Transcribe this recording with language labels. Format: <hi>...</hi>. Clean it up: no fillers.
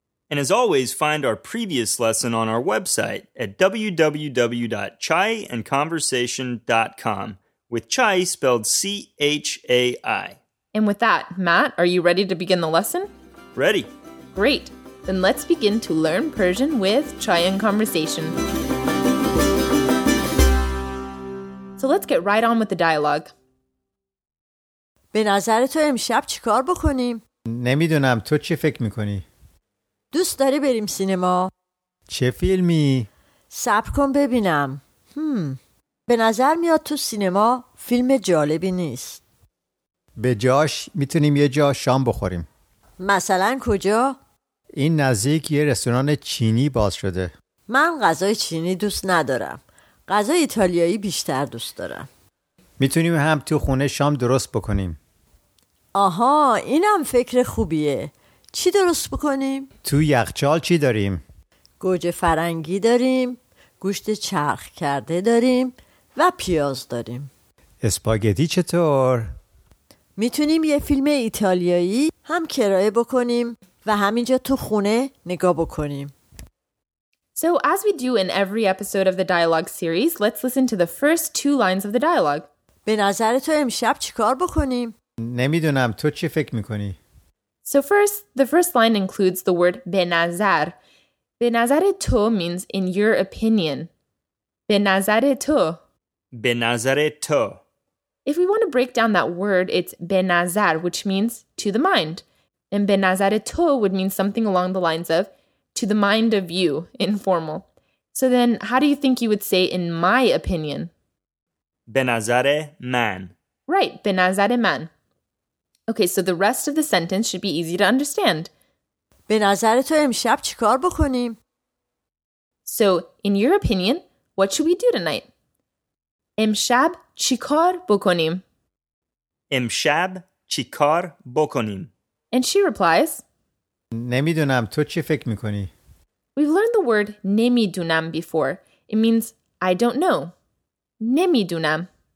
<en>And as always, find our previous lesson on our website at www.chaiandconversation.com with Chai spelled C-H-A-I. And with that, Matt, are you ready to begin the lesson? Ready. Great. Then let's begin to learn Persian with Chai and Conversation. So let's get right on with the dialogue.</en> <fa>به نظر تو امشب چی کار بکنیم؟ نمیدونم تو چی فکر میکنی؟ دوست داری بریم سینما؟ چه فیلمی؟ صبر کن ببینم. به نظر میاد تو سینما فیلم جالبی نیست. به جاش میتونیم یه جا شام بخوریم. مثلا کجا؟ این نزدیک یه رستوران چینی باز شده. من غذای چینی دوست ندارم. غذای ایتالیایی بیشتر دوست دارم. میتونیم هم تو خونه شام درست بکنیم. آها، اینم فکر خوبیه. چی درست بکنیم؟ تو یخچال چی داریم؟ گوجه فرنگی داریم، گوشت چرخ کرده داریم و پیاز داریم. اسپاگتی چطور؟ میتونیم یه فیلم ایتالیایی هم کرایه بکنیم و همینجا تو خونه نگاه بکنیم.</fa> <en>So as we do in every episode of the dialogue series, let's listen to the first two lines of the dialogue.</en> <fa>به نظر تو امشب چی کار بکنیم؟ نمیدونم تو چی فکر میکنی؟</fa> <en>So first, the first line includes the word</en> <fa>به نظر. به نظر تو</fa> <en>means in your opinion.</en> <fa>به نظر تو. به نظر تو.</fa> <en>If we want to break down that word, it's</en> <fa>به نظر,</fa> <en>which means to the mind. And</en> <fa>به نظر تو</fa> <en>would mean something along the lines of to the mind of you, informal. So then, how do you think you would say in my opinion?</en> <fa>به نظر من. Right, به نظر من.</fa> <en>Okay, so the rest of the sentence should be easy to understand.</en> <fa>به نظر تو امشب چی کار بکنیم؟</fa> <en>So, in your opinion, what should we do tonight?</en> <fa>امشب چی کار بکنیم؟ امشب چی کار بکنیم؟</fa> <en>And she replies,</en> <fa>نمیدونم تو چی فکر میکنی؟</fa> <en>We've learned the word</en> <fa>نمیدونم</fa> <en>before. It means I don't know. نمیدونم.</en>